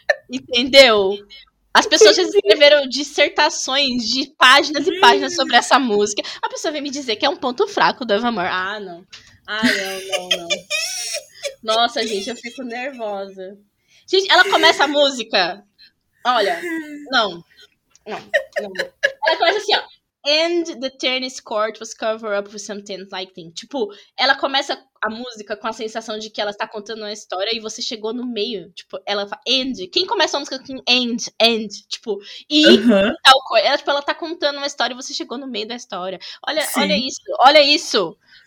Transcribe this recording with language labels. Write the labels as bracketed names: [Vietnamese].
[Portuguese] Entendeu? As pessoas já escreveram dissertações de páginas e páginas sobre essa música. A pessoa vem me dizer que é um ponto fraco do Evermore. Ah, não. Ah, não, não, não. Nossa, gente, eu fico nervosa. Gente, ela começa a música. Olha, não. Não, não. Ela começa assim, ó. [English] And the tennis court was covered up with something lightning. [Portuguese] Tipo, ela começa a música com a sensação de que ela está contando uma história e você chegou no meio. Tipo, ela fala, and. Quem começa a música com and? Tipo, e tal coisa. Ela, tipo, ela tá contando uma história e você chegou no meio da história. Olha, olha isso, olha isso.